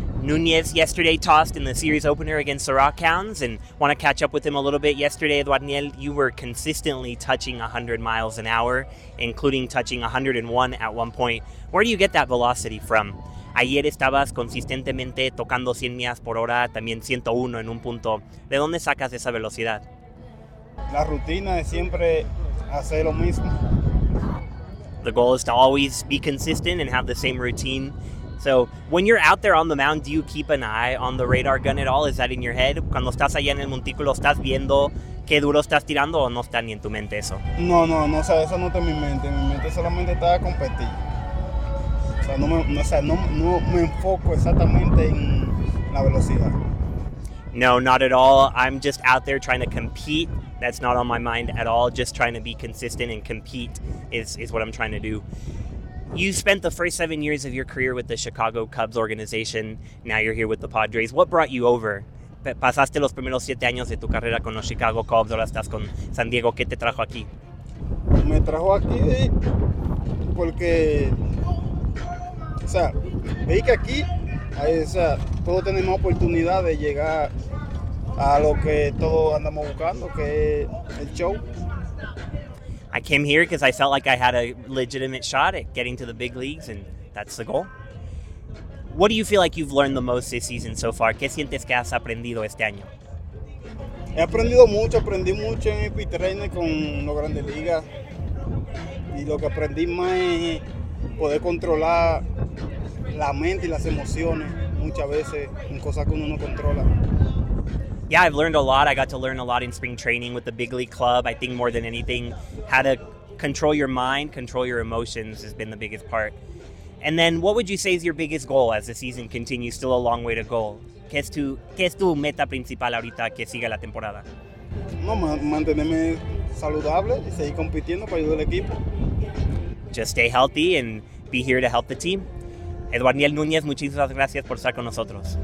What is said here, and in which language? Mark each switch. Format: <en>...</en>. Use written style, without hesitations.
<en>Núñez yesterday tossed in the series opener against the Rockhounds, and want to catch up with him a little bit. Yesterday, Eduardo, you were consistently touching 100 miles an hour, including touching 101 at one point. Where do you get that velocity from?</en> <es>Ayer estabas consistentemente tocando 100 millas por hora, también 101 en un punto. ¿De dónde sacas esa velocidad? La rutina es siempre hacer lo mismo.</es> <en>The goal is to always be consistent and have the same routine. So when you're out there on the mound, do you keep an eye on the radar gun at all? Is that in your head?</en> <es>Cuando estás allá en el montículo, ¿estás viendo qué duro estás tirando o no está ni en tu mente eso? No, eso no está en mi mente. Mi mente solamente está a competir. No me enfoco exactamente en la velocidad.</es> <en>No, not at all. I'm just out there trying to compete. That's not on my mind at all. Just trying to be consistent and compete is what I'm trying to do. You spent the first 7 years of your career with the Chicago Cubs organization. Now you're here with the Padres. What brought you over?</en> <es>Pasaste los primeros 7 años de tu carrera con los Chicago Cubs. Ahora estás con San Diego. ¿Qué te trajo aquí? Me trajo aquí porque, o sea, veí que aquí, o sea, todos tenemos oportunidad de llegar a lo que todos andamos buscando, que es el show.</es> <en>I came here because I felt like I had a legitimate shot at getting to the big leagues, and that's the goal. What do you feel like you've learned the most this season so far?</en> <es>¿Qué sientes que has aprendido este año? He aprendido mucho. Aprendí mucho en mi training con los Grandes Ligas. Y lo que aprendí más es poder controlar la mente y las emociones muchas veces en cosas que uno no controla.</es> <en>Yeah, I've learned a lot. I got to learn a lot in spring training with the big league club. I think more than anything, how to control your mind, control your emotions has been the biggest part. And then what would you say is your biggest goal as the season continues? Still a long way to go.</en> <es>¿Qué es tu meta principal ahorita que siga la temporada? No, mantenerme saludable y seguir compitiendo para ayudar al equipo.</es> <en>Just stay healthy and be here to help the team.</en> <es>Eduardo Núñez, muchísimas gracias por estar con nosotros.</es>